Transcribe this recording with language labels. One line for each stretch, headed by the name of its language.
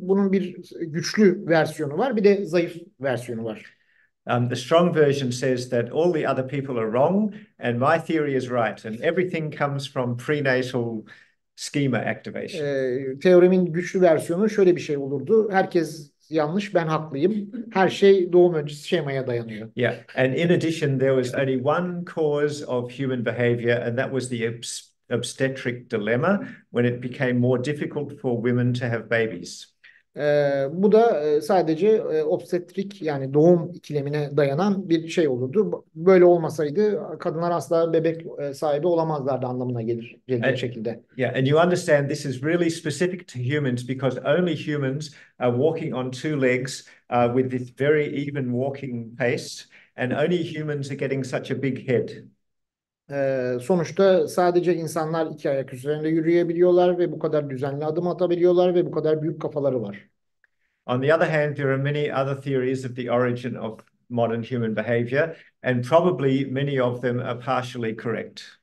Turkish: Bunun bir güçlü versiyonu var, bir de zayıf versiyonu var.
English: The strong version says that all the other people are wrong and my theory is right and everything comes from prenatal schema activation.
Turkish: Teorimin güçlü versiyonu şöyle bir şey olurdu. Herkes yanlış, ben haklıyım. Her şey doğum öncesi şemaya dayanıyor.
English: Yeah, and in addition, there was only one cause of human behavior, and that was the obstetric dilemma when it became more difficult for women to have babies.
Turkish: Bu da sadece obstetrik, yani doğum ikilemine dayanan bir şey olurdu. Böyle olmasaydı kadınlar asla bebek sahibi olamazlardı anlamına gelir şekilde.
English: Yeah, and you understand this is really specific to humans because only humans are walking on two legs with this very even walking pace, and only humans are getting such a big head.
Turkish: Sonuçta sadece insanlar iki ayak üzerinde yürüyebiliyorlar ve bu kadar düzenli adım atabiliyorlar ve bu kadar büyük kafaları var.
English: On the other hand, there are many other theories of the origin of modern human behavior, and probably many of them are partially correct.